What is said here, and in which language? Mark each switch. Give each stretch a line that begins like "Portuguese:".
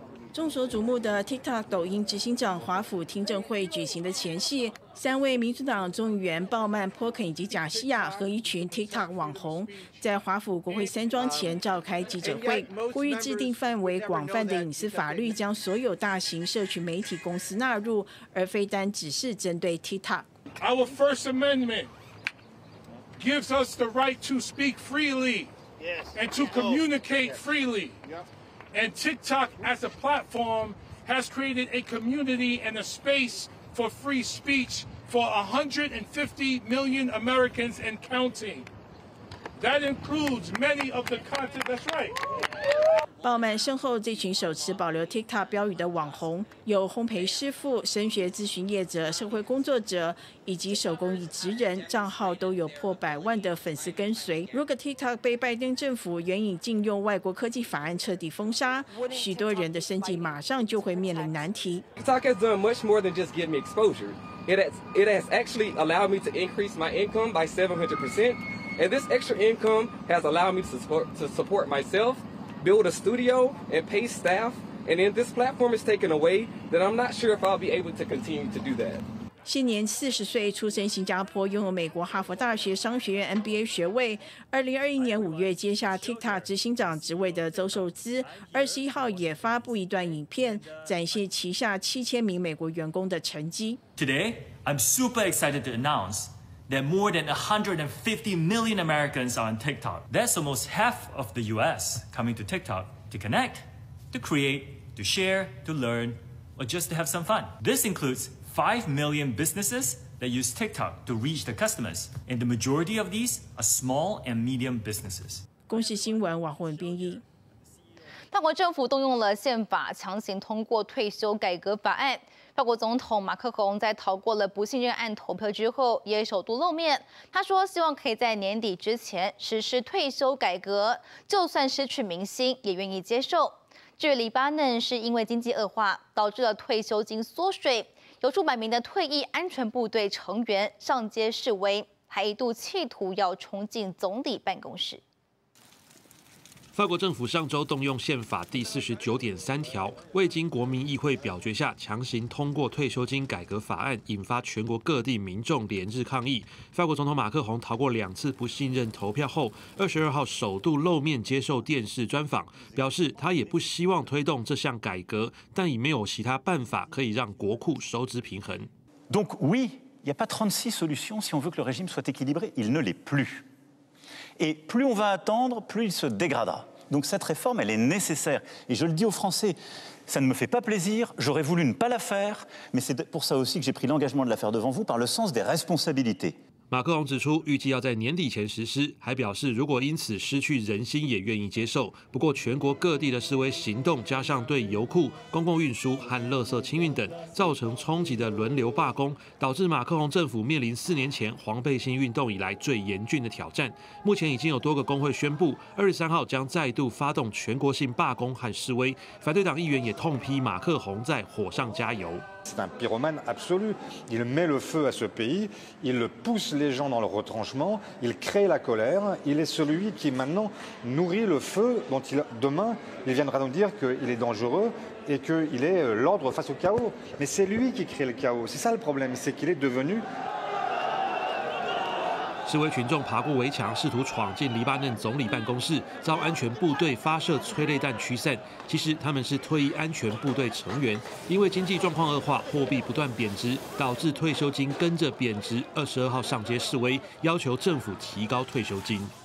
Chinese: 众所瞩目的 TikTok 抖音执行长华府听证会举行的前夕，三位民主党众议员鲍曼、波肯以及贾西亚和一群 TikTok 网红在华府国会山庄前召开记者会，呼吁制定范围广泛的隐私法律，将所有大型社群媒体公司纳入，而非单只是针对 TikTok。
English: Our First Amendment. Gives us the right to speak freely and to communicate freely. And TikTok as a platform has created a community and a space for free speech for 150 million Americans and counting. That includes many of the content. That's right.
Chinese: 鲍曼身后这群手持保留 TikTok 标语的网红，有烘焙师傅、升学咨询业者、社会工作者以及手工艺职人，账号都有破百万的粉丝跟随。如果 TikTok 被拜登政府援引禁用外国科技法案彻底封杀，许多人的生计马上就会面临难题。
English: TikTok has done much more than just give me exposure. It has actually allowed me to increase my income by 700%, and this extra income has allowed me to support myself. build a studio and pay staff, and then this platform is taken away, then I'm not sure if I'll be able to continue to do that.
Chinese: 现年40岁，出生新加坡，拥有美国哈佛大学商学院 MBA 学位。 2021年5月接下 TikTok 执行长职位的周受资，21号也发布一段影片，展现旗下7000名美国员工的成绩。
English: Today, I'm super excited to announceThat more than 150 million Americans are on TikTok. That's almost half of the US coming to TikTok to connect, to create, to share, to learn, or just to have some fun. This includes 5 million businesses that use TikTok to reach their customers, and the majority of these are small and medium businesses.
Chinese: 公视新闻网红编译。法国政府动用了宪法，强行通过退休改革法案。法国总统马克龙在逃过了不信任案投票之后，也首度露面。他说希望可以在年底之前实施退休改革，就算失去民心也愿意接受。至于黎巴嫩，是因为经济恶化导致了退休金缩水，有数百名的退役安全部队成员上街示威，还一度企图要冲进总理办公室。法国政府上周动用宪法第49.3条，未经国民议会表决下强行通过退休金改革法案，引发全国各地民众连日抗议。法国总统马克宏逃过2次不信任投票后，22号首度露面接受电视专访，表示他也不希望推动这项改革，但已没有其他办法可以让国库收支平衡。
French: Donc oui, il y a pas 36 solutions si on veut que le régime soit équilibré, il ne l'est plus. Et plus on va attendre, plus il se dégradera. Donc cette réforme, elle est nécessaire. Et je le dis aux Français, ça ne me fait pas plaisir, j'aurais voulu ne pas la faire, mais c'est pour ça aussi que j'ai pris l'engagement de la faire devant vous, par le sens des responsabilités.
Chinese: 马克龙指出，预计要在年底前实施，还表示如果因此失去人心，也愿意接受。不过，全国各地的示威行动，加上对油库、公共运输和垃圾清运等造成冲击的轮流罢工，导致马克龙政府面临四年前黄背心运动以来最严峻的挑战。目前已经有多个工会宣布，23号将再度发动全国性罢工和示威。反对党议员也痛批马克龙在火上加油。
French: C'est un pyromane absolu. Il met le feu à ce pays, il pousse les gens dans le retranchement, il crée la colère. Il est celui qui maintenant nourrit le feu dont il, demain il viendra nous dire qu'il est dangereux et qu'il est l'ordre face au chaos. Mais c'est lui qui crée le chaos. C'est ça le problème, c'est qu'il est devenu...
Chinese: 示威群众爬过围墙，试图闯进黎巴嫩总理办公室，遭安全部队发射催泪弹驱散。其实他们是退役安全部队成员，因为经济状况恶化，货币不断贬值，导致退休金跟着贬值。 22号上街示威，要求政府提高退休金。